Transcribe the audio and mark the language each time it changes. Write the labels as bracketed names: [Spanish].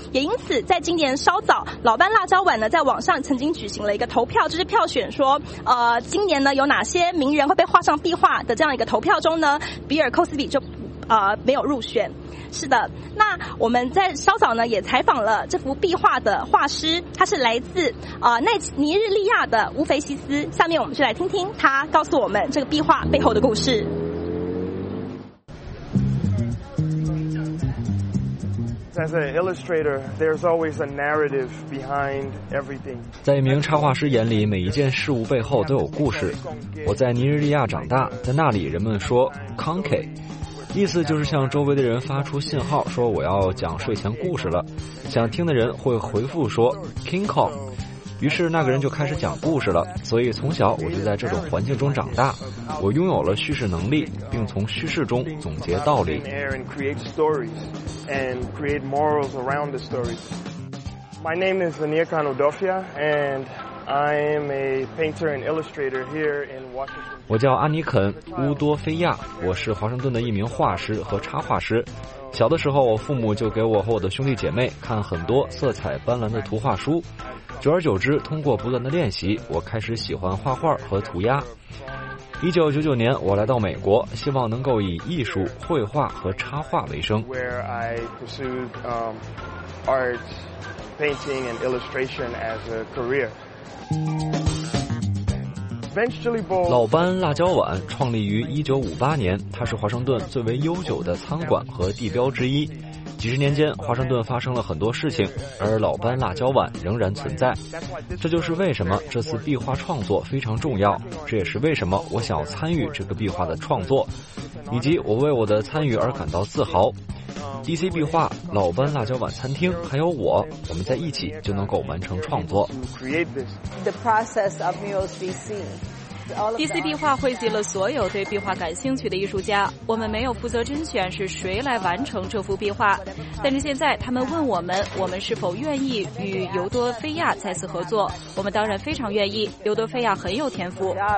[Chinese] 也因此在今年稍早，老班辣椒碗呢在网上曾经举行了一个投票，就是票选说今年呢有哪些名人会被画上壁画的这样一个投票中呢，比尔·寇斯比就没有入选。是的，那我们在稍早呢也采访了这幅壁画的画师，他是来自奈尼日利亚的乌菲西斯。下面我们就来听听他告诉我们这个壁画背后的故事。 [English] As an illustrator, there's always a narrative behind everything. [Chinese] 在一名插画师眼里，每一件事物背后都有故事。我在尼日利亚长大，在那里人们说 Conkey， 意思就是向周围的人发出信号，说我要讲睡前故事了。想听的人会回复说 King Kong， 于是那个人就开始讲故事了。所以从小我就在这种环境中长大，我拥有了叙事能力，并从叙事中总结道理。 [English] And create morals around the stories. My name is Vanir Khan Odofia, and I am a painter and illustrator here in Washington. [Chinese] 我叫阿尼肯·乌多菲亚，我是华盛顿的一名画师和插画师。小的时候，我父母就给我和我的兄弟姐妹看很多色彩斑斓的图画书。久而久之，通过不断的练习，我开始喜欢画画和涂鸦。 1999年，我来到美国，希望能够以艺术、绘画和插画为生。 [English] Where I pursued art, painting, and illustration as a career. Eventually, Bob [Chinese] 老班辣椒碗创立于1958年，它是华盛顿最为悠久的餐馆和地标之一。几十年间，华盛顿发生了很多事情，而老班辣椒碗仍然存在。这就是为什么这次壁画创作非常重要，这也是为什么我想要参与这个壁画的创作，以及我为我的参与而感到自豪。 DC 壁画、老班辣椒碗餐厅，还有我们在一起就能够完成创作。 [English] The process of Murals DC. [Chinese] DC 壁画汇集了所有对壁画感兴趣的艺术家，我们没有负责甄选是谁来完成这幅壁画，但是现在他们问我们，我们是否愿意与尤多菲亚再次合作，我们当然非常愿意，尤多菲亚很有天赋。